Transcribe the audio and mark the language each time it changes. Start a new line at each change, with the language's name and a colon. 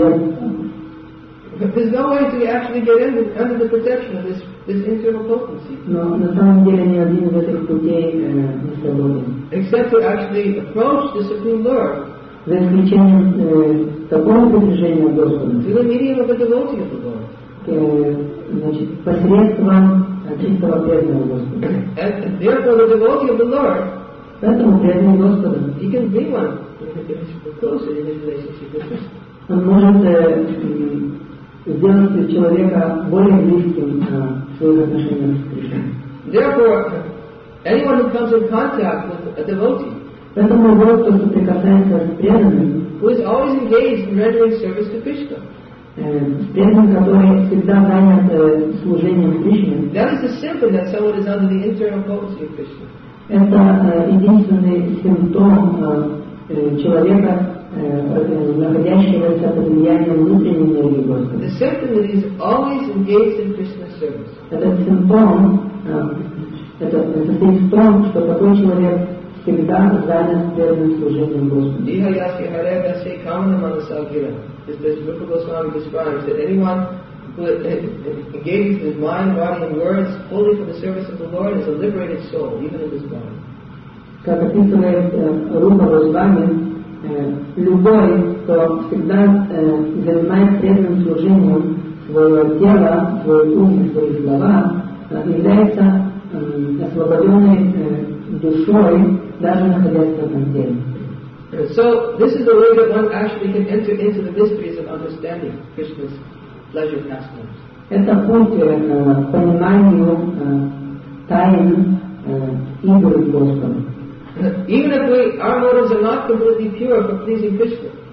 English: There's no way to actually get in under the protection of this internal potency.
Russian: Но на самом деле ни один из этих путей не свободен.
English: Except to actually approach the Supreme Lord.
Russian: За исключением такого приближения к Господу.
English: Through the medium of a devotee of the Lord.
Russian: Посредством чистого преданного Господа.
English: And therefore the devotee of the Lord.
Russian: Поэтому преданный Господу.
English: He can be one. Closer in his relationship with Krishna.
Russian: Он может сделать человека более близким к своим отношениям с Кришной.
English: Therefore, anyone who comes in contact with a devotee,
Russian: поэтому тот, кто соприкасается с преданным,
English: who is always engaged in rendering service to Krishna,
Russian: преданным, который всегда занят служением Кришне,
English: that is the symptom that someone is under the internal potency of Krishna.
Russian: Это единственный симптом человека, находящегося под влиянием внутренней энергии Господа.
English: The symptom that is always engaged in Krishna's service.
Russian: Этот симптом, это состоит в том, что такой человек всегда занят преданным служением Господу. Диха яски харе гасе камана манасагира.
English: As Rupa Goswami describes, that anyone who engages his mind, body, and words fully for the service of the Lord is a liberated soul, even in his body.
Russian: Как описывает Рупа Госвами, любой, кто всегда занимает преданным служением своего тела, своего ума, свои слова, является освобожденной душой, даже находясь в этом теле.
English: So this is the way that one actually can enter into the mysteries of understanding Krishna's pleasure pastimes.
Russian: Это путь к пониманию тайн игры Господа.
English: Even if our motives are not completely pure for pleasing Krishna,